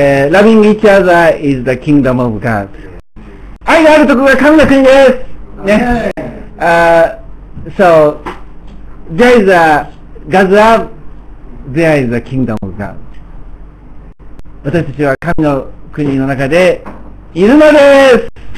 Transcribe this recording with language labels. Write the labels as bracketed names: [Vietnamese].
[English] Loving each other is the kingdom of God. [Japanese] 愛があるところが神の国です。ね。 [English] So there is a God's love, there is a kingdom of God. [Japanese] 私たちは神の国の中でいるのです。